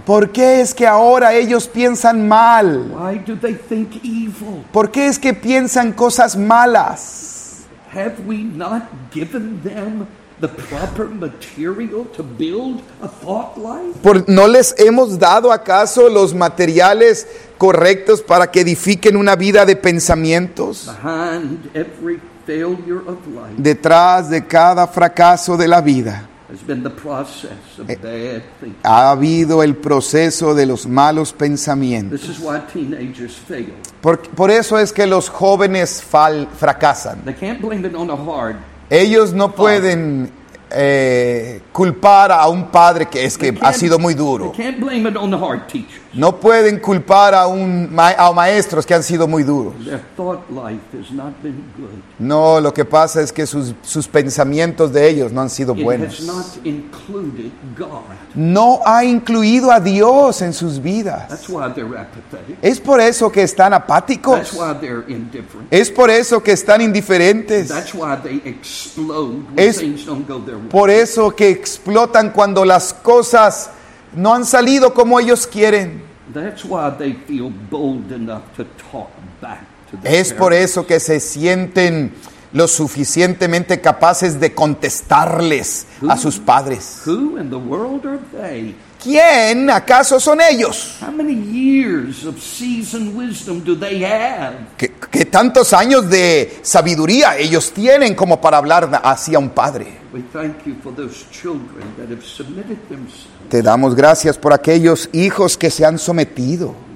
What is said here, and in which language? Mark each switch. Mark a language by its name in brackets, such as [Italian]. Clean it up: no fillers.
[Spanish] ¿Por qué es que ahora ellos piensan mal? [English] Why do they think evil? [Spanish] ¿Por qué es que piensan cosas malas? [English] Have we not given them the proper material to build a thought life? [Spanish] ¿Por no les hemos dado acaso los materiales correctos para que edifiquen una vida de pensamientos? [English] Behind every failure of life, [Spanish] detrás de cada fracaso de la vida, [English] has been the process of bad thinking. [Spanish] Ha habido el proceso de los malos pensamientos. [English] This is why teenagers fail. [Spanish] Por eso es que los jóvenes fracasan. [English] They can't blame it on a hard. [Spanish] Ellos no pueden culpar a un padre que es que ha sido muy duro. [English] They can't blame it on the hard teachers. [Spanish] No pueden culpar a maestros que han sido muy duros. [English] Their thought life has not been good. [Spanish] No, lo que pasa es que sus pensamientos de ellos no han sido buenos. [English] It has not included God. [Spanish] No ha incluido a Dios en sus vidas. [English] That's why they're apathetic. [Spanish] Es por eso que están apáticos. [English] That's why they're indifferent. [Spanish] Es por eso que están indiferentes. [English] That's why they explode when things don't go their way. [Spanish] Por eso que explotan cuando las cosas no han salido como ellos quieren. [English] That's why they feel bold enough to talk back to the parents. [Spanish] Es por eso que se sienten lo suficientemente capaces de contestarles a sus padres. [English] Who in the world are they? [Spanish] ¿Quién acaso son ellos? [English] How many years of seasoned wisdom do they have? [Spanish] ¿Qué tantos años de sabiduría ellos tienen como para hablar así a un padre? [English] We thank you for those children that have submitted themselves. [Spanish] Te damos gracias por aquellos hijos que se han sometido.